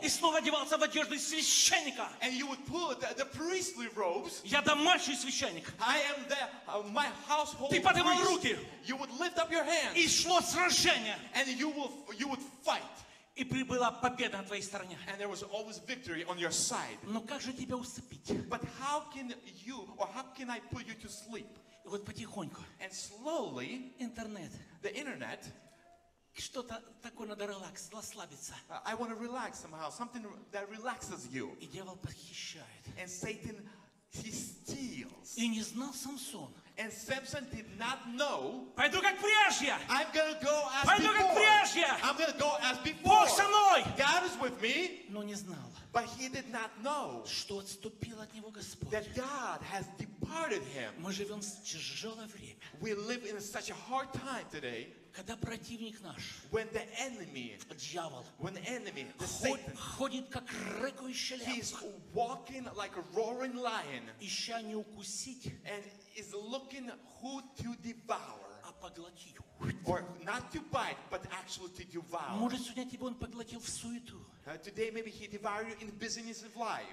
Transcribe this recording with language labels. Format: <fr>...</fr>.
<ru>И снова одевался в одежду священника.</ru> <en>And you would put the priestly robes.</en> <ru>Я домашний священник.</ru> <en>I am the, my household</en> <ru>ты поднимал руки.</ru> <en>You would lift up your hands.</en> <ru>И шло сражение.</ru> <en>And you would fight.</en> <ru>И прибыла победа на твоей стороне.</ru> <en>And there was always victory on your side.</en> <ru>Но как же тебя усыпить?</ru> <en>But how can you, or how can I put you to sleep?</en> <ru>И вот потихоньку.</ru> <en>And slowly,</en> <ru>интернет.</ru> <en>The internet.</en> <ru>Что-то такое надо релакс, расслабиться.</ru> <en>I want to relax somehow, something that relaxes you.</en> <ru>И дьявол похищает.</ru> <en>And Satan, he steals.</en> <ru>И не знал Самсон.</ru> <en>And Samson did not know.</en> <ru>Пойду как прежде.</ru> <en>I'm gonna go as</en> <ru>Пойду Пойду как прежде.</ru> <en>I'm gonna go as before.</en> <ru>Бог со мной.</ru> <en>God is with me.</en> <ru>Но не знал.</ru> <en>But he did not know.</en> <ru>Что отступил от него Господь.</ru> <en>That God has departed him.</en> <ru>Мы живем в тяжелое время.</ru> <en>We live in such a hard time today.</en> <ru>Когда противник наш.</ru> <en>When the enemy.</en> <ru>Дьявол.</ru> <en>When the enemy. The Satan.</en> <ru>Ходит как рыкающий лев.</ru> <en>He is walking like a roaring lion.</en> <ru>Ища не укусить.</ru> <en>And is looking who to devour.</en> <ru>А поглотить.</ru> <en>Or not to bite, but actually to devour.</en> <ru>Может сегодня тебя он поглотил в суету.</ru> <en>Today maybe he devoured you in the busyness of life.</en>